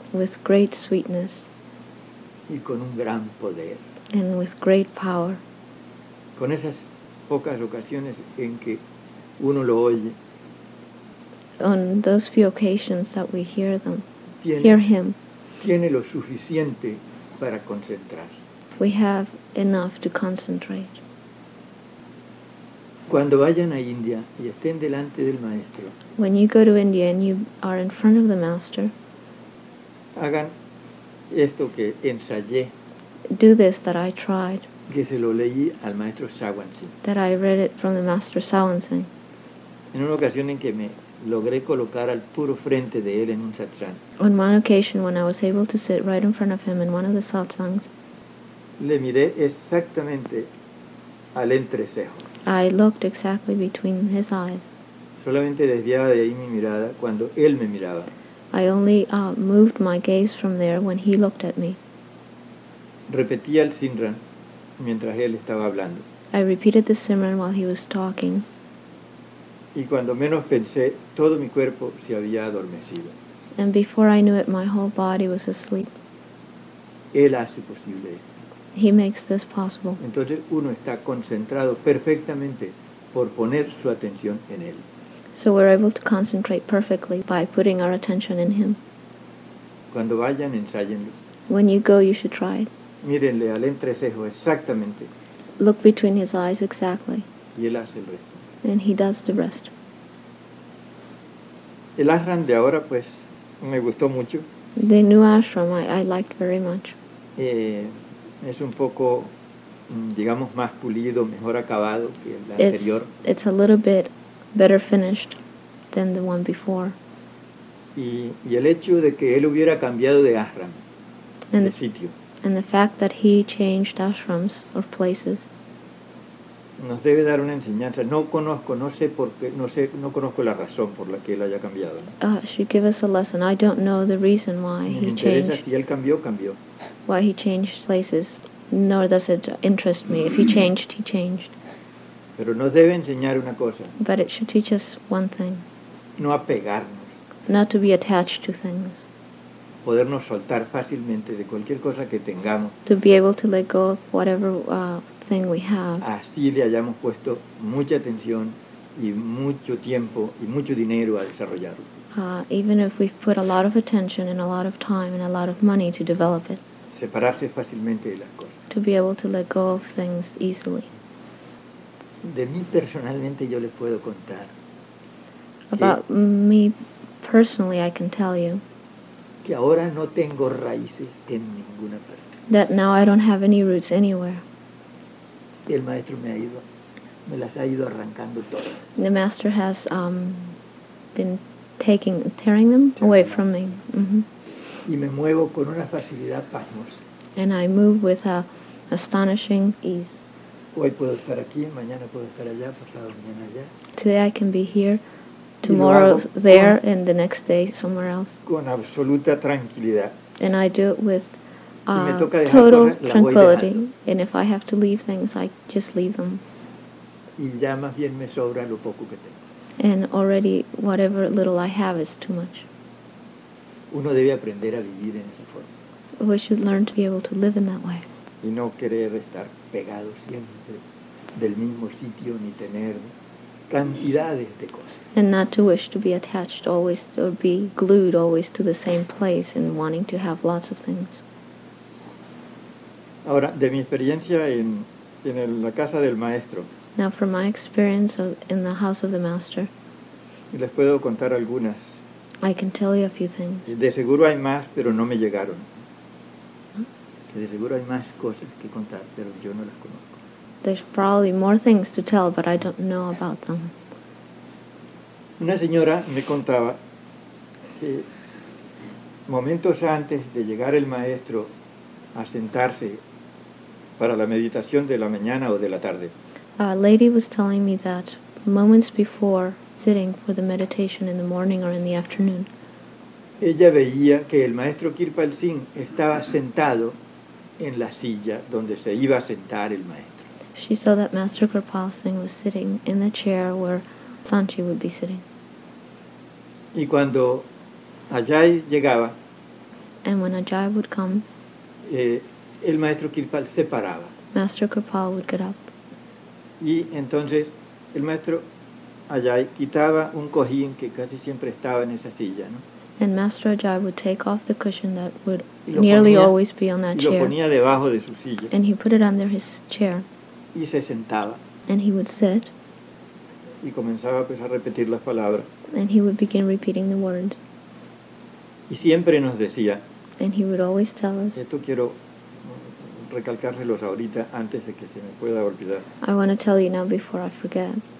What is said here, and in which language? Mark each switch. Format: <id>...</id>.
<en>With great sweetness.</en> <es>Y con un gran poder.</es> <en>And with great power.</en> <es>Con esas pocas ocasiones en que uno lo oye.</es> <en>On those few occasions that we hear them, hear him,</en> <es>tiene lo suficiente para concentrarse.</es> <en>We have enough to concentrate.</en> <es>Cuando vayan a India y estén delante del maestro,</es> <en>when you go to India and you are in front of the master,</en> <es>hagan esto que ensayé.</es> <en>Do this that I tried.</en> <es>Que se lo leí al maestro Sawan Singh.</es> <en>That I read it from the master Sawan Singh.</en> <es>En una ocasión en que me logré colocar al puro frente de él en un satsang.</es> <en>On one occasion when I was able to sit right in front of him in one of the satsangs.</en> <es>Le miré exactamente al entrecejo.</es> <en>I looked exactly between his eyes.</en> <es>Solamente desviaba de ahí mi mirada cuando él me miraba.</es> <en>I only moved my gaze from there when he looked at me.</en> <es>Repetía el Simran mientras él estaba hablando.</es> <en>I repeated the Simran while he was talking.</en> <es>Y cuando menos pensé, todo mi cuerpo se había adormecido.</es> <en>And before I knew it, my whole body was asleep.</en> <es>Él hace posible esto.</es> <en>He makes this possible.</en> <es>Entonces uno está concentrado perfectamente por poner su atención en él.</es> <en>So we're able to concentrate perfectly by putting our attention in him.</en> <es>Cuando vayan, ensáyenlo.</es> <en>When you go, you should try it.</en> <es>Mírenle al entrecejo exactamente.</es> <en>Look between his eyes exactly.</en> <es>Y él hace el resto.</es> <en>And he does the rest.</en> <es>El ashram de ahora, pues, me gustó mucho.</es> <en>The new ashram, I liked very much.</en> <es>Es un poco digamos, más pulido, mejor acabado que el anterior.</es> <en>It's a little bit better finished than the one before.</en> <es>Y el hecho de que él hubiera cambiado de ashram, de sitio.</es> <en>And the fact that he changed ashrams or places.</en> <es>Nos debe dar una enseñanza. No conozco, no sé por qué, no sé, no conozco la razón por la que él haya cambiado.</es> <en>Should give us a lesson. I don't know the reason why he changed.</en> <es>Si él cambió, cambió.</es> <en>Why he changed places. Nor does it interest me. If he changed, he changed.</en> <es>Pero nos debe enseñar una cosa.</es> <en>But it should teach us one thing.</en> <es>No apegarnos.</es> <en>Not to be attached to things.</en> <es>Podernos soltar fácilmente de cualquier cosa que tengamos.</es> <en>To be able to let go of whatever thing we have.</en> <es>Así le hayamos puesto mucha atención y mucho tiempo y mucho dinero a desarrollarlo.</es> <en>Even if we've put a lot of attention and a lot of time and a lot of money to develop it.</en> <es>Separarse fácilmente de las cosas.</es> <en>To be able to let go of things easily.</en> <es>De mí personalmente yo les puedo contar.</es> <en>About me personally, I can tell you.</en> <es>Que ahora no tengo raíces en ninguna parte.</es> <en>That now I don't have any roots anywhere.</en> <es>El maestro me las ha ido arrancando todas.</es> <en>The master has been tearing them away from me. Mm-hmm.</en> <es>Y me muevo con una facilidad pasmosa.</es> <en>And I move with a astonishing ease.</en> <es>Hoy puedo estar aquí, mañana puedo estar allá, pasado mañana allá.</es> <en>Today I can be here. Tomorrow there, and the next day somewhere else.</en> <es>Con absoluta tranquilidad.</es> <en>And I do it with total tranquility. And if I have to leave things, I just leave them.</en> <es>Y ya más bien me sobra lo poco que tengo.</es> <en>And already whatever little I have is too much.</en> <es>Uno debe aprender a vivir en esa forma.</es> <en>We should learn to be able to live in that way.</en> <es>Y no querer estar pegado siempre del mismo sitio ni tener cantidades de cosas.</es> <en>And not to wish to be attached always or be glued always to the same place and wanting to have lots of things.</en> <es>Ahora, de mi experiencia en la casa del maestro.</es> <en>Now from my experience in the house of the master.</en> <es>Les puedo contar algunas.</es> <en>I can tell you a few things.</en> <es>De seguro hay más, pero no me llegaron. Huh? De seguro hay más cosas que contar, pero yo no las conozco.</es> <en>There's probably more things to tell, but I don't know about them.</en> <es>Una señora me contaba que momentos antes de llegar el maestro a sentarse para la meditación de la mañana o de la tarde.</es> <en>A lady was telling me that moments before sitting for the meditation in the morning or in the afternoon.</en> <es>Ella veía que el maestro Kirpal Singh estaba sentado en la silla donde se iba a sentar el maestro.</es> <en>She saw that Master Kirpal Singh was sitting in the chair where Sanchi would be sitting.</en> <es>Y cuando Ajay llegaba,</es> <en>and when Ajay would come,</en> <es>el maestro Kirpal se paraba.</es> <en>Master Kirpal would get up.</en> <es>Y entonces el maestro Ajay quitaba un cojín que casi siempre estaba en esa silla, ¿no?</es> <en>And Master Ajay would take off the cushion that would nearly always be on that chair.</en> <es>Y lo ponía debajo de su silla.</es> <en>And he put it under his chair.</en> <es>Y se sentaba.</es> <en>And he would sit.</en> <es>Y comenzaba pues a repetir las palabras.</es> <en>And he would begin repeating the words.</en> <es>Y siempre nos decía.</es> <en>And he would always tell us.</en> <es>Esto quiero recalcárselos ahorita antes de que se me pueda olvidar.</es> <en>I want to tell you now before I forget.</en>